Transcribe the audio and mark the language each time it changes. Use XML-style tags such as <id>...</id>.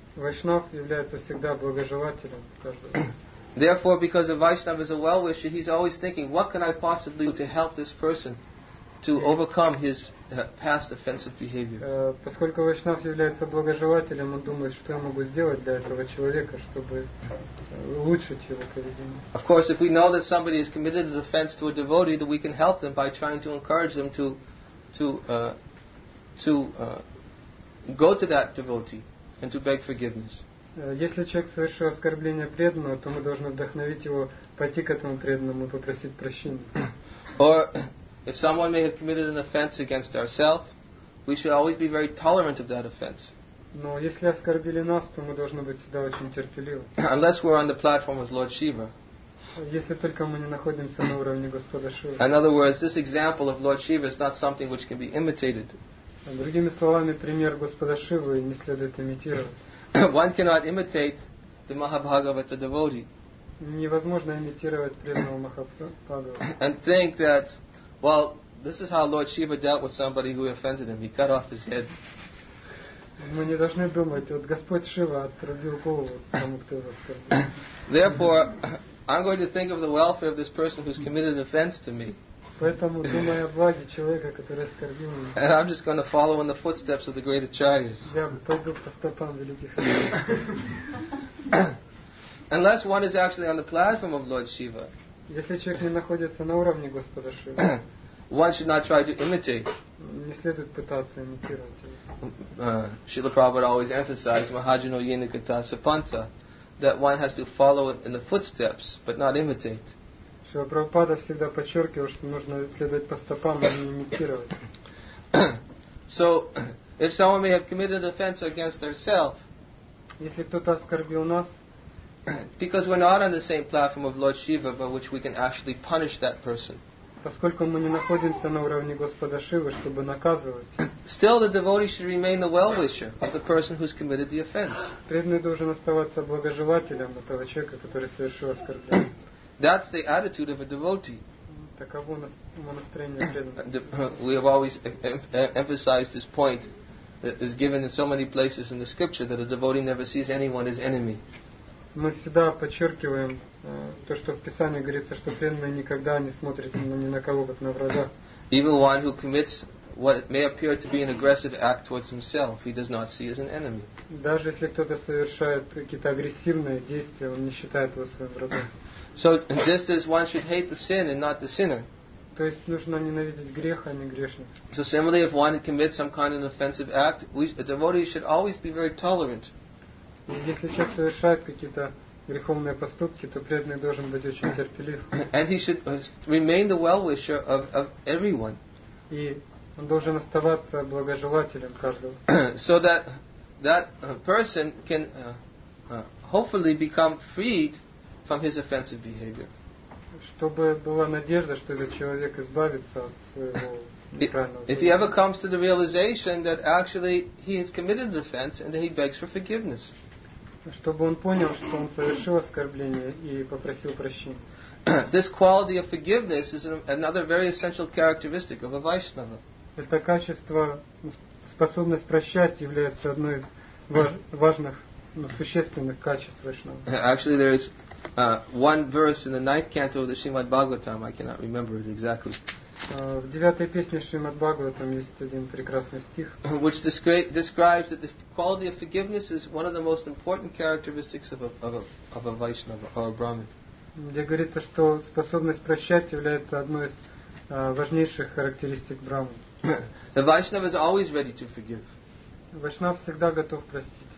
<ru>Vaishnav является всегда благожелателем каждого.</ru> <en>Therefore, because a Vaishnava is a well-wisher, he's always thinking, what can I possibly do to help this person to overcome his past offensive behavior?</en> <ru>Поскольку Вайшнав является благожелателем, он думает, что я могу сделать для этого человека, чтобы улучшить его поведение.</ru> <en>Of course, if we know that somebody has committed an offense to a devotee, then we can help them by trying to encourage them to go to that devotee and to beg forgiveness.</en> <ru>Если человек совершил оскорбление преданного, то мы должны вдохновить его пойти к этому преданному и попросить прощения.</ru> <en>Or if someone may have committed an offense against ourselves, we should always be very tolerant of that offense.</en> <ru>Но если оскорбили нас, то мы должны быть всегда очень терпеливы.</ru> <en>Unless we're on the platform as Lord Shiva.</en> <ru>Если только мы не находимся на уровне Господа Шивы.</ru> <en>In other words, this example of Lord Shiva is not something which can be imitated.</en> <ru>Другими словами, пример Господа Шивы не следует имитировать.</ru> <en>One cannot imitate the Mahabhagavata devotee.</en> <ru>Невозможно имитировать преданного Махабхагавату.</ru> <en>And think that, well, this is how Lord Shiva dealt with somebody who offended him. He cut off his head.</en> <ru>Мы не должны думать, вот Господь Шива отрубил голову тому, кто его оскорбил.</ru> <en>Therefore, I'm going to think of the welfare of this person who's committed an offense to me.</en> <ru>Поэтому думаю о благе человека, который оскорбил меня.</ru> <en>And I'm just going to follow in the footsteps of the great acharyas.</en> <ru>Я пойду по стопам великих acharyas.</ru> <en>Unless one is actually on the platform of Lord Shiva.</en> <ru>Если человек не находится на уровне Господа Шивы.</ru> <en>One should not try to imitate.</en> <ru>Не следует пытаться имитировать.</ru> <en>Śrīla Prabhupāda always emphasized</en> <sa>Mahājano Yena Gata Sapanta</sa> <en>that one has to follow in the footsteps but not imitate.</en> <ru>Śrīla Prabhupāda всегда подчеркивал, что нужно следовать по стопам, а не имитировать.</ru> <en>So, if someone may have committed offense against ourselves,</en> <ru>если кто-то оскорбил нас,</ru> <en>because we're not on the same platform of Lord Shiva by which we can actually punish that person,</en> <ru>поскольку мы не находимся на уровне Господа Шивы, чтобы наказывать.</ru> <en>Still, the devotee should remain the well-wisher of the person who's committed the offense.</en> <ru>Преданный должен оставаться благожелателем этого человека, который совершил оскорбление.</ru> <en>That's the attitude of a devotee.</en> <ru>Таково настроение преданного.</ru> <en>We have always emphasized this point that is given in so many places in the scripture that a devotee never sees anyone as enemy.</en> <ru>Мы всегда подчеркиваем то, что в Писании говорится, что преданный никогда не смотрит ни на кого, как на врага.</ru> <en>Even one who commits what may appear to be an aggressive act towards himself, he does not see as an enemy.</en> <ru>Даже если кто-то совершает какие-то агрессивные действия, он не считает его своим врагом.</ru> <en>So just as one should hate the sin and not the sinner.</en> <ru>То есть нужно ненавидеть грех, а не грешника.</ru> <en>So similarly, if one commits some kind of offensive act, a devotee should always be very tolerant.</en> <ru>Если человек совершает какие-то греховные поступки, то преданный должен быть очень терпелив.</ru> <en>And he should remain the well-wisher of everyone.</en> <ru>И он должен оставаться благожелателем каждого.</ru> <en>So that person can hopefully become freed from his offensive behavior.</en> <ru>Чтобы была надежда, что этот человек избавится от своего неправильного.</ru> <en>If he ever comes to the realization that actually he has committed an offense and that he begs for forgiveness.</en> <ru>Чтобы он понял, что он совершил оскорбление и попросил прощения.</ru> <en>This quality of forgiveness is another very essential characteristic of a Vaishnava.</en> <ru>Это качество, способность прощать, является одной из важных, существенных качеств Вайшнава.</ru> <en>Actually, there is one verse in the ninth canto of the Srimad Bhagavatam. I cannot remember it exactly.</en> <ru>В девятой песне Шримад Бхагаватам есть один прекрасный стих,</ru> <en>which describes that the quality of forgiveness is one of the most important characteristics of a Vaishnava or a Brahmin.</en> <ru>Где говорится, что способность прощать является одной из важнейших характеристик Брахмы.</ru> <en>The Vaishnava is always ready to forgive.</en> <ru>Вайшнав всегда готов простить.</ru>